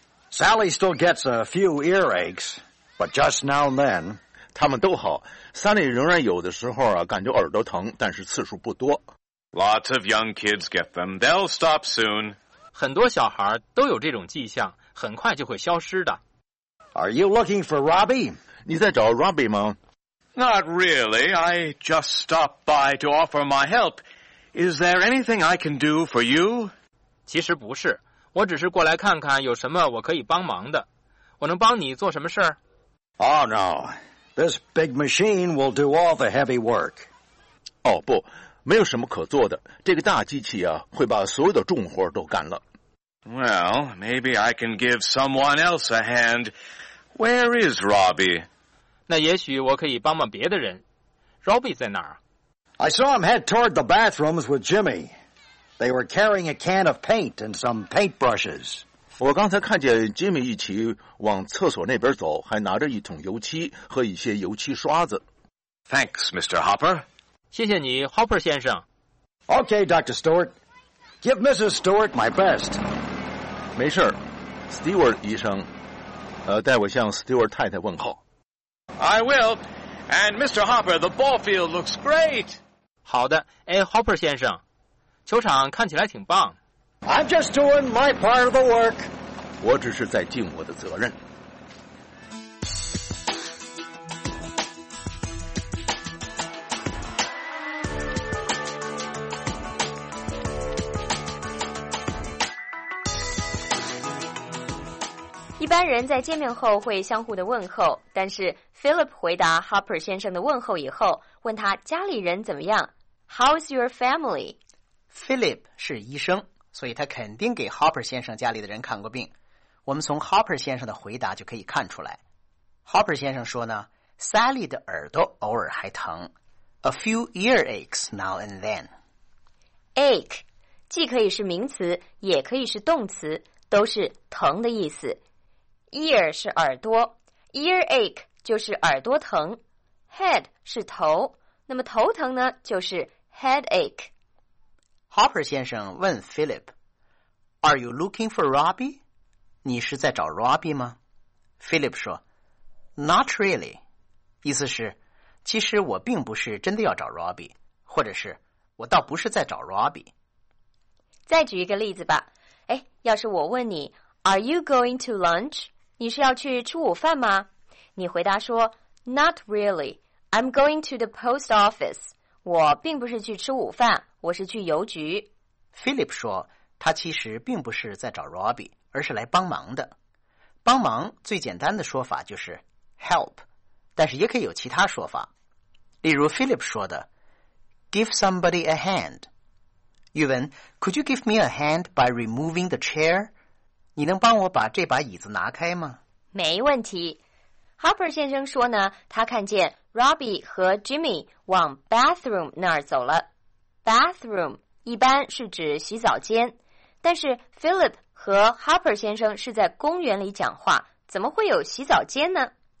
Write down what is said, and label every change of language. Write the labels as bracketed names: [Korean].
[English] Sally still gets a few earaches, but just now and then. [Chinese] 他们都好。 Sally 仍然有的时候啊，感觉耳朵疼，但是次数不多。 [English] Lots of young kids get them. They'll stop soon. [Chinese] 很多小孩都有这种迹象，很快就会消失的。 [English] Are you looking for Robbie? [Chinese] 你在找 Robbie 吗？ [English] Not really. I just stopped by to offer my help. Is there anything I can do for you? [Chinese] 其实不是，我只是过来看看有什么我可以帮忙的。我能帮你做什么事儿？ [English] Oh, no. This big machine will do all the heavy work. [Chinese] 哦，不，没有什么可做的。这个大机器啊，会把所有的重活都干了。 [English] Well, maybe I can give someone else a hand. Where is Robbie? [Chinese] 那也许我可以帮帮别的人。 Robbie 在哪儿？ [English] I saw him head toward the bathrooms with Jimmy. They were carrying a can of paint and some paintbrushes. [Chinese] 我刚才看见 Jimmy 一起往厕所那边走，还拿着一桶油漆和一些油漆刷子。 [English] Thanks, Mr. Hopper. [Chinese] 谢谢你 ,Hopper 先生。 [English] Okay, Dr. Stewart. Give Mrs. Stewart my best. [Chinese] 没事 ,Stewart 医生。代我向 Stewart 太太问候。 [English] I will. And Mr. Hopper, the ball field looks great. [Chinese] 好的，哎 ，Hopper 先生，球场看起来挺棒。 [English] I'm just doing my part of the work. [Chinese] 我只是在尽我的责任。一般人在见面后会相互的问候，但是 Philip 回答 Hopper 先生的问候以后，问他家里人怎么样。 [English] How's your family? [Chinese] Philip 是医生，所以他肯定给 Hopper 先生家里的人看过病。我们从 Hopper 先生的回答就可以看出来。Hopper 先生说呢， Sally 的耳朵偶尔还疼。 [English] A few ear aches now and then. [Chinese] Ache 既可以是名词，也可以是动词，都是疼的意思。 Ear 是耳朵， ear ache 就是耳朵疼， head 是头，那么头疼呢就是 headache。 [English] Hopper [Chinese] 先生问 [English] Philip， Are you looking for Robbie? [Chinese] 你是在找 Robbie 吗？Philip 说 [English] Not really， [Chinese] 意思是其实我并不是真的要找 Robbie， 或者是我倒不是在找 Robbie。再举一个例子吧，哎，要是我问你 [English] Are you going to lunch? [Chinese] 你是要去吃午饭吗？你回答说 [English] Not really. I'm going to the post office. [Chinese] 我并不是去吃午饭，我是去邮局。 Philip 说他其实并不是在找 Robbie， 而是来帮忙的。帮忙最简单的说法就是 help， 但是也可以有其他说法。例如 [English] Philip [Chinese] 说的 [English] Give somebody a hand. [Chinese] 玉文 [English] Could you give me a hand by removing the chair? [Chinese] 你能帮我把这把椅子拿开吗？没问题。 Hopper 先生说呢，他看见 Robbie 和 Jimmy 往 [English] bathroom [Chinese] 那儿走了。 bathroom 一般是指洗澡间，但是 Philip 和 Hopper 先生是在公园里讲话，怎么会有洗澡间呢？